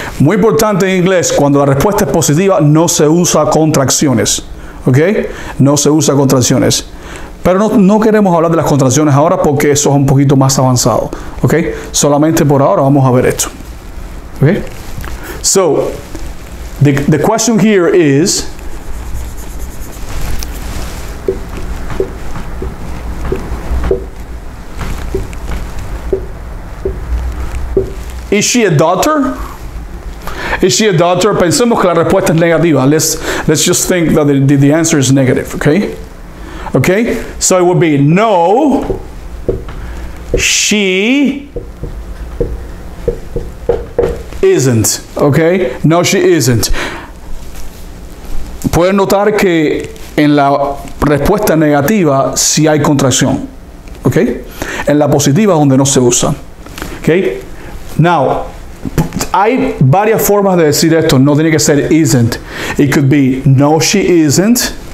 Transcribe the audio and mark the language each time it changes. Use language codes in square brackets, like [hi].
[es] Muy importante en inglés, cuando la respuesta es positiva, no se usa contracciones. Okay? No se usa contracciones. Pero no queremos hablar de las contracciones ahora porque eso es un poquito más avanzado. Okay? Solamente por ahora vamos a ver esto. Okay? [en] So, the question here is, is she a daughter? Is she a daughter? [es] Pensemos que la respuesta es negativa. [en] Let's just think that the answer is negative, okay? Okay? So it would be, no, she isn't, okay? No, she isn't. [es] Pueden notar que en la respuesta negativa sí hay contracción, okay? En la positiva donde no se usa, okay? Now, hay varias formas de decir esto. No tiene que ser [en] isn't. It could be, no, she isn't.